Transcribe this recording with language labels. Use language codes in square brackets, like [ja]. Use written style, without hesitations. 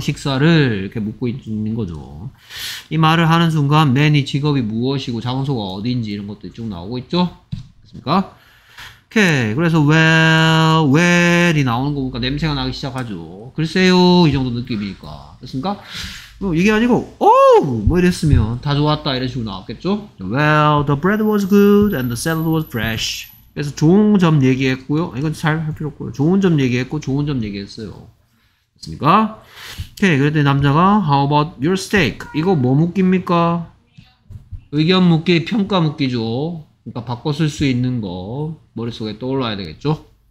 [ko] 식사를 이렇게 묻고 있는 거죠. 이 말을 하는 순간 맨이 직업이 무엇이고 장소가 어디인지 이런 것들이 쭉 나오고 있죠. 됐습니까? 오케이. 그래서 well이 나오는 거 보니까 냄새가 나기 시작하죠. 글쎄요 이 정도 느낌이니까. 됐습니까? 뭐 이게 아니고 oh 뭐 이랬으면 다 좋았다 이런 식으로 나왔겠죠. [en] Well the bread was good and the salad was fresh. [ko] 그래서 좋은 점 얘기했고요. 이건 잘 할 필요 없고요. 좋은 점 얘기했고 좋은 점 얘기했어요. 됐습니까? 오케이. 그랬더니 남자가 [en] How about your steak? [ko] 이거 뭐 묻깁니까? 의견 묻기, 평가 묻기죠. 그러니까 바꿔 쓸 수 있는 거 머릿속에 떠올라야 되겠죠?